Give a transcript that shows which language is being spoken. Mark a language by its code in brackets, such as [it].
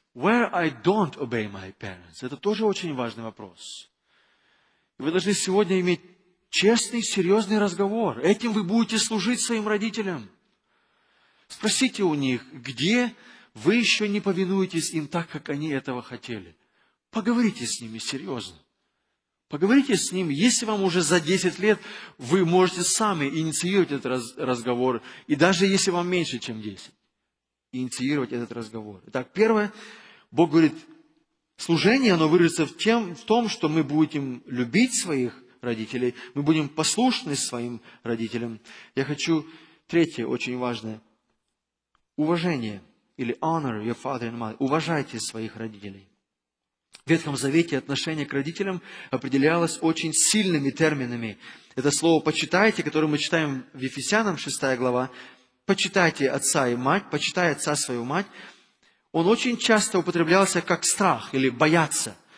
[en] Where I don't obey my parents?» [ru] Это тоже очень важный вопрос. Вы должны сегодня иметь честный, серьезный разговор. Этим вы будете служить своим родителям. Спросите у них, где вы еще не повинуетесь им так, как они этого хотели. Поговорите с ними серьезно. Поговорите с ними. Если вам уже за 10 лет, вы можете сами инициировать этот разговор. И даже если вам меньше, чем 10, инициировать этот разговор. Итак, первое, Бог говорит, служение, оно выразится в том, что мы будем любить своих родителей, мы будем послушны своим родителям. Я хочу третье, очень важное. Уважение, или [en] honor your father and mother. [ru] Уважайте своих родителей. В Ветхом Завете отношение к родителям определялось очень сильными терминами. Это слово «почитайте», которое мы читаем в Ефесянам, 6 глава. «Почитайте отца и мать», «почитай отца свою мать». Он очень часто употреблялся как страх или бояться.